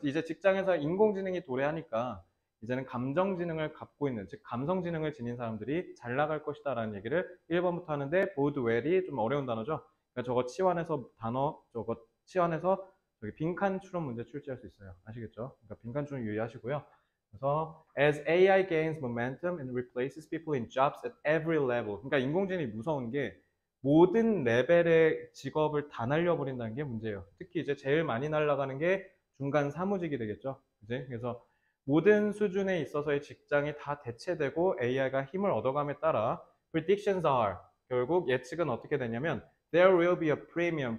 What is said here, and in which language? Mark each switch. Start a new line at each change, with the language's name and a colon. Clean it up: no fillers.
Korean: 이제 직장에서 인공지능이 도래하니까 이제는 감정지능을 갖고 있는 즉 감성지능을 지닌 사람들이 잘 나갈 것이다라는 얘기를 1번부터 하는데 보드 웰이 좀 어려운 단어죠. 저거 치환해서 단어, 저거 치환해서 여기 빈칸 추론 문제 출제할 수 있어요. 아시겠죠? 그러니까 빈칸 추론 유의하시고요.
English: 그래서 as AI gains momentum and replaces people in jobs at every level.
Korean: 그러니까 인공지능이 무서운 게 모든 레벨의 직업을 다 날려버린다는 게 문제예요. 특히 이제 제일 많이 날아가는 게 중간 사무직이 되겠죠. 그치? 그래서 모든 수준에 있어서의 직장이 다 대체되고 AI가 힘을 얻어감에 따라
English: predictions are
Korean: 결국 예측은 어떻게 되냐면
English: There will be a premium.